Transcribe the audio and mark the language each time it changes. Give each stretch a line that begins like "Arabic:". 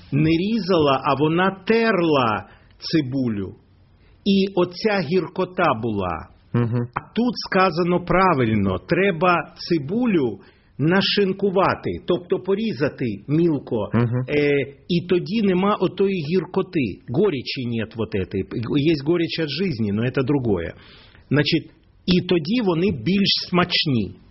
Ukrainian: не різала, а вона терла цибулю. І оця гіркота була. А тут сказано правильно. Треба цибулю нашинкувати, тобто порізати мілко. І тоді нема отої гіркоти.
Russian: Горечі нет вот этой.
Ukrainian: Є
Russian: горечі жизни, но это другое.
Ukrainian: Значить, і тоді вони більш смачні.